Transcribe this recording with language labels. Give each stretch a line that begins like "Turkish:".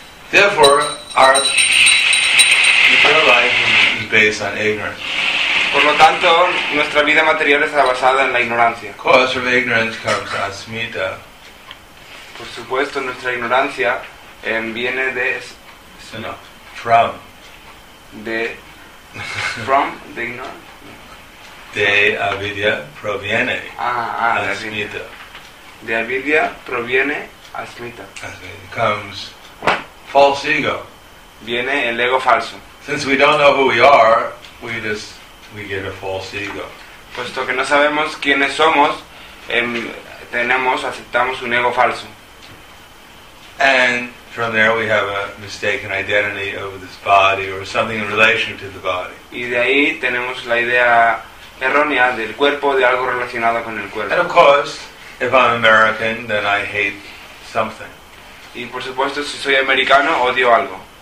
English: Therefore, our material life is based on ignorance.
Spanish: Por lo tanto, nuestra vida material está basada en la ignorancia.
English: Cause of ignorance comes asmita.
Spanish: Por supuesto, nuestra ignorancia viene de.
English: No, from.
Spanish: De.
English: From
Spanish: de ignorancia. De avidya proviene asmita. De avidya proviene asmita.
English: Comes false ego.
Spanish: Viene el ego falso.
English: Since we don't know who we are, we get a false ego.
Spanish: Puesto que no sabemos quiénes somos, aceptamos un ego falso.
English: And from there we have a mistaken identity of this body or something in relation to the body.
Spanish: Y de ahí tenemos la idea errónea del cuerpo, de algo relacionado con el cuerpo.
English: And of course, if I'm American, then I hate something.
Spanish: Y por supuesto, si soy americano, odio algo.